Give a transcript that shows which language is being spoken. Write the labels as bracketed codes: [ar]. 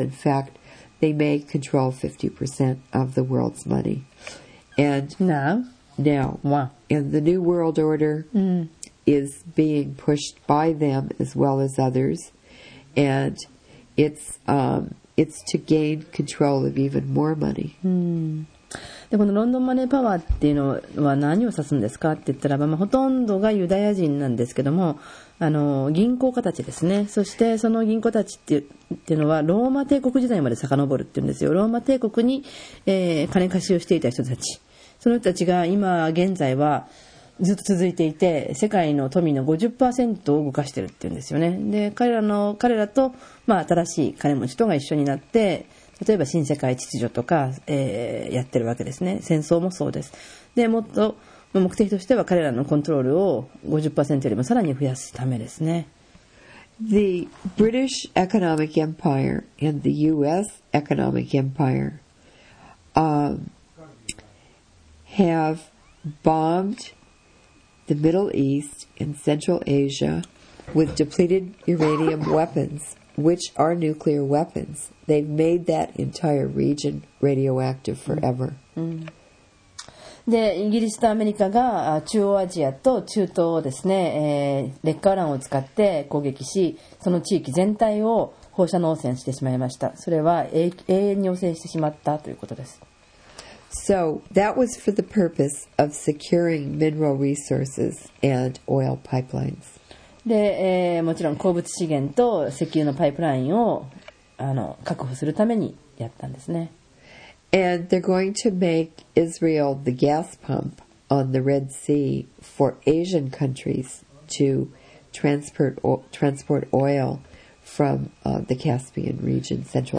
[en] In fact, they may control 50% of the world's money. And now, wow. In the New World Order, is being pushed by them as well as others, and it's to gain control of even more money. [ja] で、このロンドンマネーパワーっていうのは何を指すんですかって言ったら、まあ、ほとんどがユダヤ人なんですけども、銀行家たちですね。そしてその銀行たちっていうのはローマ帝国時代まで遡るっていうんですよ。ローマ帝国に、金貸しをしていた人たち、その人たちが今現在はずっと続いていて、世界の富の 50% を動かしてるっていうんですよね。で、彼らと、まあ、新しい金持ちとが一緒になって、例えば新世界秩序とか、やってるわけですね。戦争もそうです。で、もっと、目的としては彼らのコントロールを 50% よりもさらに増やすためですね。 [en] The British Economic Empire and the US Economic Empire, have bombed the Middle East and Central Asia with depleted uranium weapons, which are nuclear weapons. They've made that entire region radioactive forever. [ja] で、イギリスとアメリカが中央アジアと中東をですね、劣化ウランを使って攻撃し、その地域全体を放射能汚染してしまいました。それは永遠に汚染してしまったということです。 [en] So that was for the purpose of securing mineral resources and oil pipelines. [ja] で、もちろん鉱物資源と石油のパイプラインを確保するためにやったんですね。 [en] And they're going to make Israel the gas pump on the Red Sea for Asian countries to transport oil from the Caspian region, Central Asia.